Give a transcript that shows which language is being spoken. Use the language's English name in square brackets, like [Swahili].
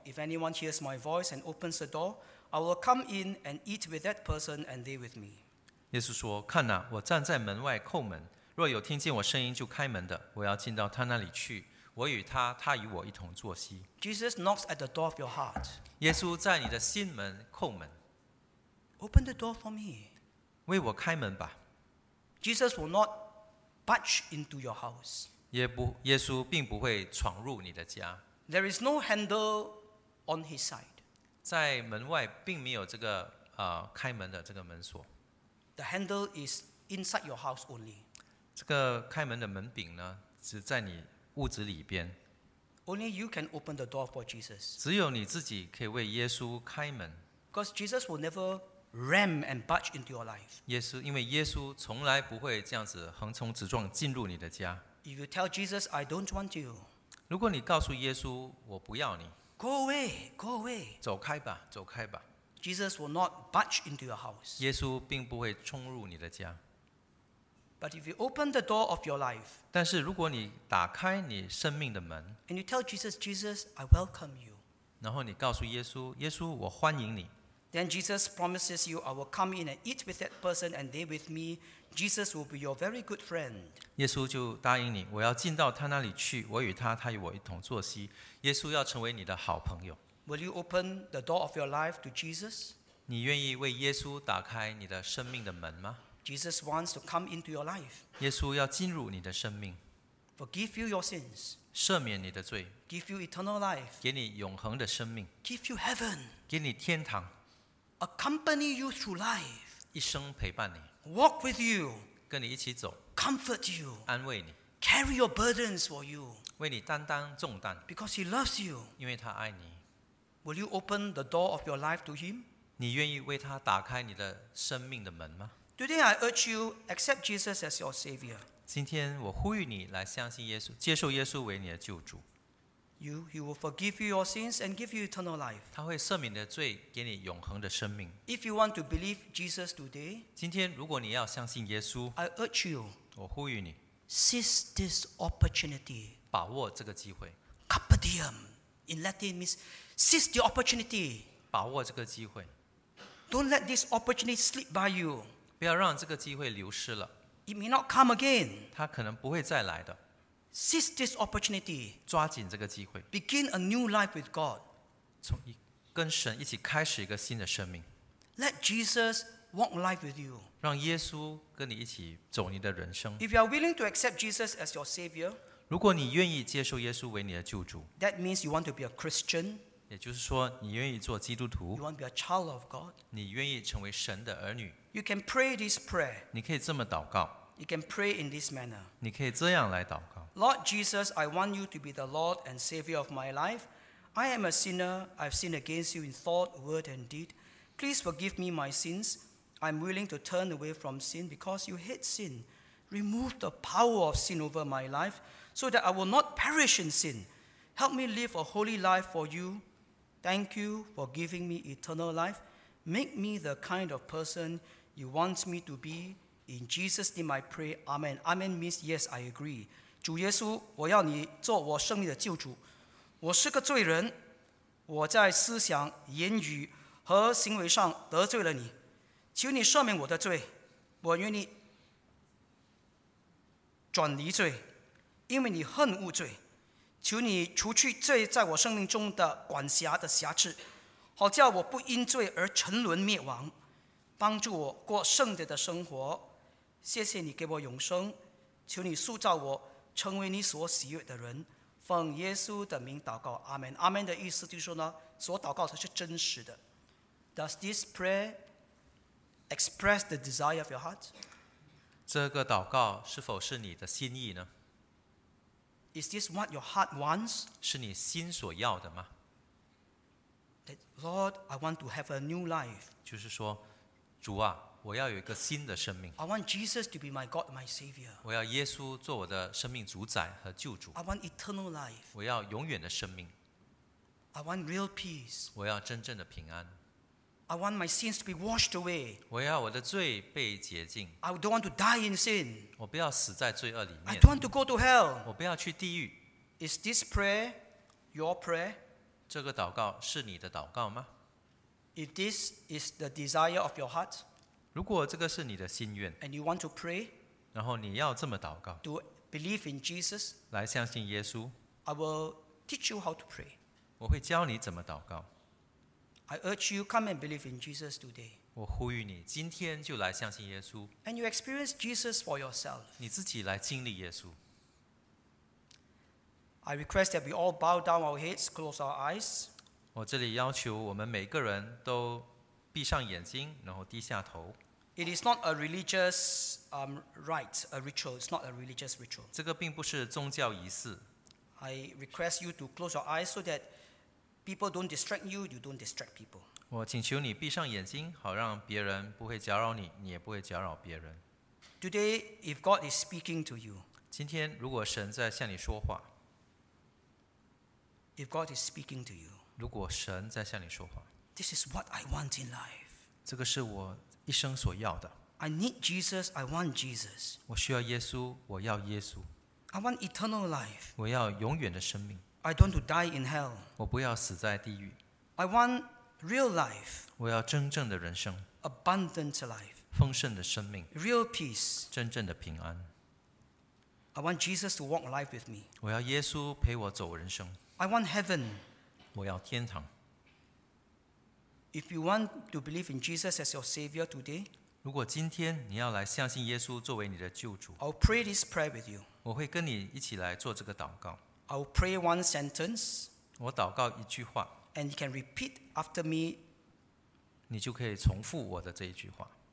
[English] If anyone hears my voice and opens the door, I will come in and eat with that person and they with me." [Chinese] 耶稣说，看哪，我站在门外叩门。若有听见我声音就开门的，我要进到他那里去，我与他，他与我一同坐席。 [English] Jesus knocks at the door of your heart. [Chinese] 耶稣在你的心门叩门。 [English] Open the door for me. [Chinese] 为我开门吧。 [English] Jesus will not budge into your house. [Chinese] 耶稣并不会闯入你的家。 [English] There is no handle on his side. [Chinese] 在门外并没有这个开门的这个门锁。 [English] The handle is inside your house only. [Chinese] 这个开门的门柄呢，只在你屋子里边。 [English] Only you can open the door for Jesus. [Chinese] 只有你自己可以为耶稣开门。 [English] Because Jesus will never ram and budge into your life. [Chinese] 因为耶稣从来不会这样子横冲直撞进入你的家。 [English] If you tell Jesus, I don't want you. [Chinese] 如果你告诉耶稣我不要你。 [English] Go away, go away. [Chinese] 走开吧，走开吧。 [English] Jesus will not budge into your house. [Chinese] 耶稣并不会冲入你的家。 [English] But if you open the door of your life, [Chinese] 但是如果你打开你生命的门， [English] and you tell Jesus, Jesus, I welcome you. [Chinese] 然后你告诉耶稣，耶稣，我欢迎你。 [English] Then Jesus promises you, I will come in and eat with that person and they with me. Jesus will be your very good friend. [Chinese] 耶稣就答应你，我要进到他那里去，我与他，他与我一同坐席。耶稣要成为你的好朋友。 [English] Will you open the door of your life to Jesus? [Chinese] 你愿意为耶稣打开你的生命的门吗？ [English] Jesus wants to come into your life. [Chinese] 耶稣要进入你的生命。 [English] Forgive you your sins. [Chinese] 赦免你的罪。 [English] Give you eternal life. [Chinese] 给你永恒的生命。 [English] Give you heaven. [Chinese] 给你天堂。 [English] Accompany you through life. [Chinese] 一生陪伴你。 [English] Walk with you. [Chinese] 跟你一起走。 [English] Comfort you. [Chinese] 安慰你。 [English] Carry your burdens for you. [Chinese] 为你担当重担。 [English] Because he loves you. [Chinese] 因为他爱你。 [English] Will you open the door of your life to him? [Chinese] 你愿意为他打开你的生命的门吗？ [English] Today I urge you accept Jesus as your savior. [Chinese] 今天我呼吁你来相信耶稣，接受耶稣为你的救主。 [English] He will forgive you your sins and give you eternal life. [Chinese] 他会赦免你的罪，给你永恒的生命。 [English] If you want to believe Jesus today, [Chinese] 今天如果你要相信耶稣， [English] I urge you, [Chinese] 我呼吁你， [English] seize this opportunity. [Chinese] 把握这个机会。 [Latin] Carpe diem [English] in Latin means seize the opportunity. [Chinese] 把握这个机会。 [English] Don't let this opportunity slip by you. [Chinese] 不要让这个机会流失了。 [English] It may not come again. [Chinese] 它可能不会再来的。 [English] Seize this opportunity. [Chinese] 抓紧这个机会。 [English] Begin a new life with God. [Chinese] 从跟神一起开始一个新的生命。 [English] Let Jesus walk life with you. [Chinese] 让耶稣跟你一起走你的人生。 [English] If you are willing to accept Jesus as your Savior, [Chinese] 如果你愿意接受耶稣为你的救主， [English] That means you want to be a Christian. [Chinese] 也就是说，你愿意做基督徒， [English] you want to be a child of God. [Chinese] 你愿意成为神的儿女。 [English] You can pray this prayer. [Chinese] 你可以这么祷告。 [English] You can pray in this manner. [Chinese] 你可以这样来祷告。 [English] Lord Jesus, I want you to be the Lord and Savior of my life. I am a sinner. I've sinned against you in thought, word, and deed. Please forgive me my sins. I'm willing to turn away from sin because you hate sin. Remove the power of sin over my life so that I will not perish in sin. Help me live a holy life for you. Thank you for giving me eternal life. Make me the kind of person you want me to be. In Jesus' name I pray. Amen. Amen means yes, I agree. [Chinese] 主耶稣，我要你做我生命的救主。我是个罪人，我在思想、言语和行为上得罪了你。求你赦免我的罪，我愿你转离罪，因为你恨恶罪。求你除去罪在我生命中的管辖的瑕疵，好叫我不因罪而沉沦灭亡，帮助我过圣洁的生活。谢谢你给我永生，求你塑造我，成为你所喜悦的人。奉耶稣的名祷告，阿们。阿们的意思就是说呢，所祷告才是真实的。 [English] Does this prayer express the desire of your heart? [Chinese] 这个祷告是否是你的心意呢？ [English] Is this what your heart wants? [Chinese] 是你心所要的吗？ [English] That, Lord, I want to have a new life. [Chinese] 就是说，主啊，我要有一个新的生命。 [English] I want Jesus to be my God, my Savior. [Chinese] 我要耶稣做我的生命主宰和救主。 [English] I want eternal life. [Chinese] 我要永远的生命。 [English] I want real peace. [Chinese] 我要真正的平安。 [English] I want my sins to be washed away. [Chinese] 我要我的罪被洁净。 [English] I don't want to die in sin. [Chinese] 我不要死在罪恶里面。 [English] I don't want to go to hell. [Chinese] 我不要去地狱。 [English] Is this prayer your prayer? [Chinese] 这个祷告是你的祷告吗？ [English] If this is the desire of your heart, [Chinese] 如果这个是你的心愿， [English] and you want to pray, [Chinese] 然后你要这么祷告， [English] to believe in Jesus, [Chinese] 来相信耶稣， [English] I will teach you how to pray. [Chinese] 我会教你怎么祷告。 [English] I urge you come and believe in Jesus today. [Chinese] 我呼吁你今天就来相信耶稣。 [English] And you experience Jesus for yourself. [Chinese] 你自己来经历耶稣。 [English] I request that we all bow down our heads, close our eyes. [Chinese] 我这里要求我们每个人都闭上眼睛，然后低下头。 [English] It is not a religious rite, a ritual. It's not a religious ritual. [Chinese] 这个并不是宗教仪式。 [English] I request you to close your eyes so that people don't distract you, you don't distract people. [Chinese] 我请求你闭上眼睛，好让别人不会搅扰你，你也不会搅扰别人。 [English] Today, if God is speaking to you, [Chinese] 今天如果神在向你说话， [English] if God is speaking to you, [Chinese] 如果神在向你说话， [English] this is what I want in life. [Chinese] 这个是我一生所要的。 [English] I need Jesus, I want Jesus. [Chinese] 我需要耶稣，我要耶稣。 [English] I want eternal life. [Chinese] 我要永远的生命。 [English] I don't want to die in hell. [Chinese] 我不要死在地狱。 [English] I want real life. [Chinese] 我要真正的人生。 [English] Abundant life. [Chinese] 丰盛的生命。 [English] Real peace. [Chinese] 真正的平安。 [English] I want Jesus to walk life with me. [Chinese] 我要耶稣陪我走人生。 [English] I want heaven. [Chinese] 我要天堂。 [English] If you want to believe in Jesus as your Savior today, [Chinese] 如果今天你要来相信耶稣作为你的救主， [English] I'll pray this prayer with you. [Chinese] 我会跟你一起来做这个祷告。 [English] I'll pray one sentence. [Chinese] 我祷告一句话。 [English] And you can repeat after me. [Chinese] 你就可以重复我的这一句话。